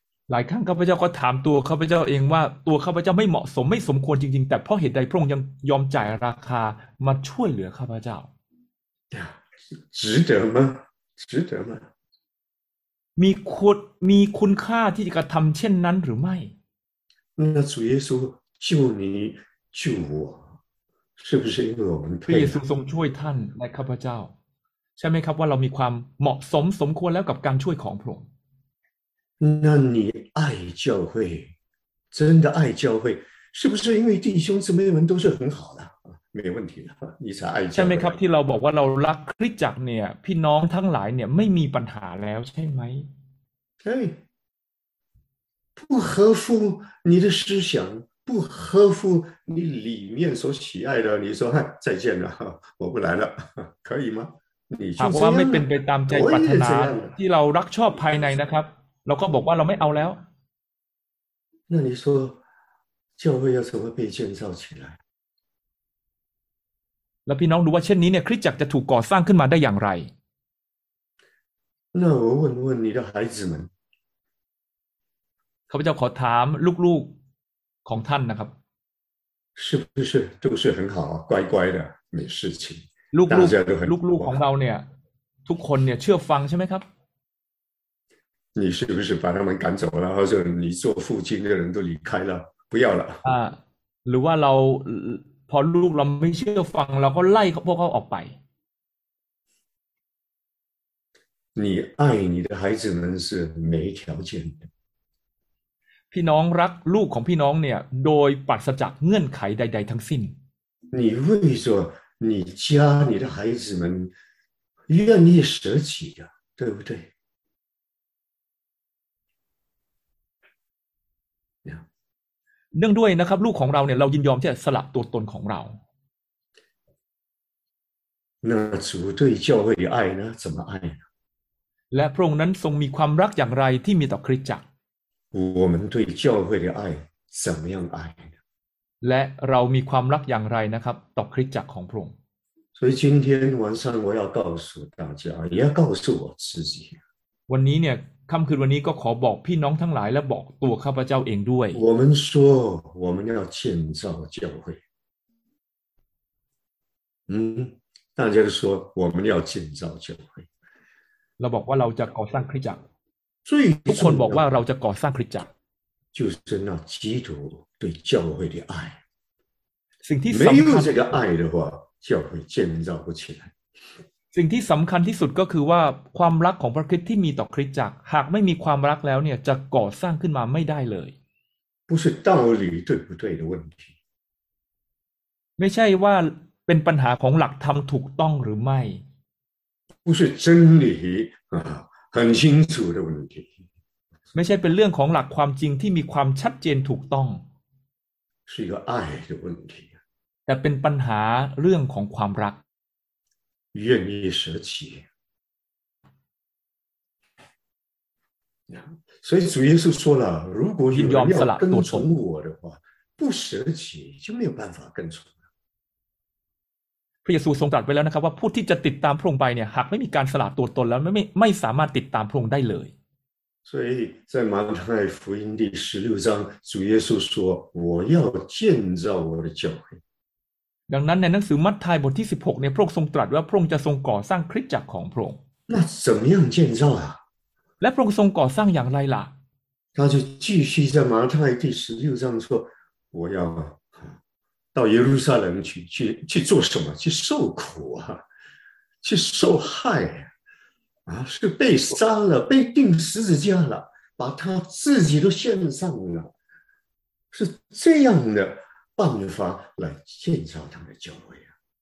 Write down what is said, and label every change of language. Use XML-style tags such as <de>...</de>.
<th>หลายครั้งข้าพเจ้าก็ถามตัวข้าพเจ้าเองว่าตัวข้าพเจ้าไม่เหมาะสมไม่สมควรจริงๆแต่เพราะเหตุใดพระองค์ยังยอมจ่ายราคามาช่วยเหลือข้าพเจ้า</th> <zh>值得吗值得吗</zh> <th>มีคุณค่าที่จะทำเช่นนั้นหรือไม่</th> <zh>那主耶稣救你救我是不是因为我们配？</zh> <th>耶稣ทรงช่วยท่านและข้าพเจ้าใช่ไหมครับว่าเรามีความเหมาะสมสมควรแล้วกับการช่วยของพระองค์</th> <zh>นั่นนี่爱教会真的爱教会是不是因为弟兄姊妹们都是很好的没问题的，你是爱家。</zh> <th>ใช่ไหมครับที่เราบอกว่าเรารักคริสตจักรเนี่ยพี่น้องทั้งหลายเนี่ยไม่มีปัญหาแล้วใช่ไหม</th> <zh>ใช่不合乎你的思想不合乎你里面所喜爱的你说嗨再见了我不来了可以吗</zh> <th>หากว่าไม่เป็นไปตามใจปรารถนาที่เรารักชอบภายในนะครับเราก็บอกว่าเราไม่เอาแล้ว</th> <zh>那你说教会要怎么被建造起来</zh> <th>แล้วพี่น้องดูว่าเช่นนี้เนี่ยคริสตจักรจะถูกก่อสร้างขึ้นมาได้อย่างไร</th> <zh>那我问问你的孩子们</zh> <th>ข้าพเจ้าขอถามลูกๆของท่านนะครับ</th> <zh>是不是都是很好乖乖的没事情</zh> <th>ลูกๆของเราเนี่ยทุกคนเนี่ยเชื่อฟังใช่ไหมครับ</th> <zh>你是不是把他们赶走了或者你做父亲的人都离开了不要了</zh> <th>หรือว่าเราพอลูกเราไม่เชื่อฟังเราก็ไล่เขาพวกเขาออกไป</th> <zh>你爱你的孩子们是没条件的</zh> <th>พี่น้องรักลูกของพี่น้องเนี่ยโดยปราศจากเงื่อนไขใดๆทั้งสิ้น</th> <zh>你为什么你家你的孩子们愿意舍己呀、啊、对不对</zh> <th>เนื่องด้วยนะครับลูกของเราเนี่ยเรายินยอมที่จะสละตัวตนของเรา</th> <zh>那主对教会的爱呢怎么爱</zh> <th>呢และพระองค์นั้นทรงมีความรักอย่างไรที่มีต่อคริสตจักร</th> <zh>我们对教会的爱怎么样爱</zh> <th>และเรามีความรักอย่างไรนะครับต่อคริสตจักรของพระองค์</th> <zh>所以今天晚上我要告诉大家也要告诉我自己</zh> <th>วันนี้เนี่ยค่ำคืนวันนี้ก็ขอบอกพี่น้องทั้งหลายและบอกตัวข้าพเจ้าเองด้วย</th> <zh>我们说我们要建造教会大家说我们要建造教会</zh> <th>เราบอกว่าเราจะก่อสร้างคริสตจักร ทุ กคนบอกว่าเราจะก่อสร้างคริสตจักร</th> <zh>就是那基督对教会的爱</zh> <th>สิ่งที่</th> <zh>没有这个爱的话教会建造不起来</zh> <th>สิ่งที่สำคัญที่สุดก็คือว่าความรักของพระคริสต์ที่มีต่อคริสตจักรหากไม่มีความรักแล้วเนี่ยจะก่อสร้างขึ้นมาไม่ได้เลย</th> <zh>不是道理对不对的问题</zh> <th>ไม่ใช่ว่าเป็นปัญหาของหลักธรรมถูกต้องหรือไม่</th> <zh>不是真理很清楚的问题</zh> <th>ไม่ใช่เป็นเรื่องของหลักความจริงที่มีความชัดเจนถูกต้อง</th> <zh>是一个爱的问题</zh> <th>แต่เป็นปัญหาเรื่องของความรัก</th> <zh>愿意舍己，所以主耶稣说了，如果有人要跟从我的话，不舍己就没有办法跟从了。</zh> <th>พระเยซูทรงตรัสไว้แล้วนะครับว่าผู้ที่จะติดตามพระองค์ไปเนี่ยหากไม่มีการสละตัวตนแล้วไม่สามารถติดตามพระองค์ได้เลย。</th> <zh>所以在马太福音第十六章，主耶稣说：“我要建造我的教会。”</zh> <th>ดังนั้นในหนังสือมัทธายบทที่16เนี่ยพระองค์ทรงตรัสว่าพระองค์จะทรงก่อสร้างคริสตจักรของพระองค์</th> <zh>那怎么样建造啊</zh> <th>และพระองค์ทรงก่อสร้างอย่างไรล่ะ</th> <zh>他就继续在马太第十六章说我要到耶路撒冷去做什么去受苦啊去受害啊是被杀了被钉十字架了把他自己都献上了是这样的办法来建造他的教会啊！</zh>